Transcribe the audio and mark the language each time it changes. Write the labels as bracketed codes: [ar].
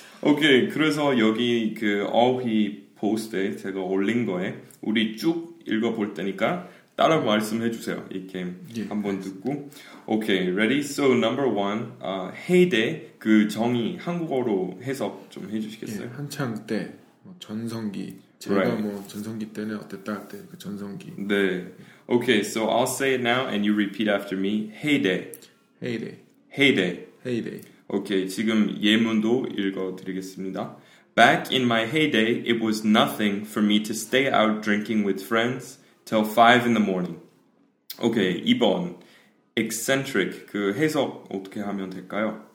[ko] 오케이, 그래서 여기 그 어휘 포스트에 제가 올린 거에 우리 쭉 읽어볼 테니까 따라 말씀해 주세요. 이 게임 예, 한번 듣고. 오케이, [en] ready? So number one, [ko] 헤이데 그 정의 한국어로 해석 좀 해주시겠어요? 예, 한창 때 뭐 전성기. 제가 right. 뭐 전성기 때는 어땠다 그때 그 전성기. 네. [en] 오케이, so I'll say it now and you repeat after me. 헤이데. 헤이데. 헤이데. 헤이데. [ko] 오케이, 지금 예문도 읽어드리겠습니다. [en] Back in my heyday, it was nothing for me to stay out drinking with friends. Till 5 in the morning. 오케이, okay, 2번. Eccentric. [ko] 그 해석 어떻게 하면 될까요?